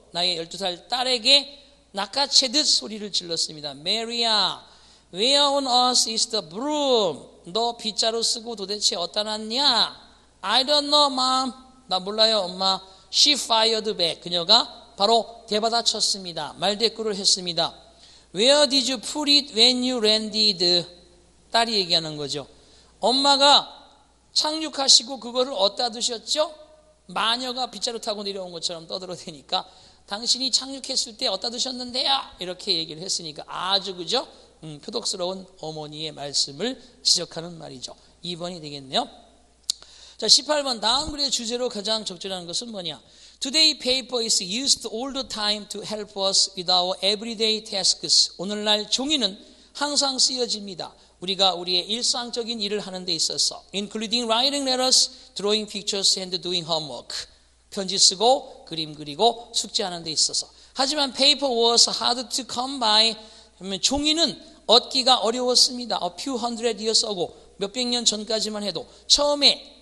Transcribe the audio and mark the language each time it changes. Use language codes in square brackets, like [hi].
[ko] 나의 12살 딸에게 낚아채듯 소리를 질렀습니다. [en] Mary야, where on earth is the broom? [ko] 너 빗자루 쓰고 도대체 어디다 놨냐? [en] I don't know, mom. [ko] 나 몰라요, 엄마. [en] She fired back. [ko] 그녀가 바로 대받아 쳤습니다. 말대꾸를 했습니다. [en] Where did you put it when you landed? [ko] 딸이 얘기하는 거죠. 엄마가 착륙하시고 그거를 어디다 두셨죠? 마녀가 빗자루 타고 내려온 것처럼 떠들어대니까 당신이 착륙했을 때 어디다 두셨는데요? 이렇게 얘기를 했으니까 아주 그죠? 표독스러운 어머니의 말씀을 지적하는 말이죠. 2번이 되겠네요. 자, 18번 다음 글의 주제로 가장 적절한 것은 뭐냐? [en] Today paper is used all the time to help us with our everyday tasks. [ko] 오늘날 종이는 항상 쓰여집니다. 우리가 우리의 일상적인 일을 하는 데 있어서 [en] including writing letters, drawing pictures and doing homework. [ko] 편지 쓰고 그림 그리고 숙제하는 데 있어서. 하지만 [en] paper was hard to come by. [ko] 그러면 종이는 얻기가 어려웠습니다. [en] A few hundred years ago, [ko] 몇백 년 전까지만 해도 처음에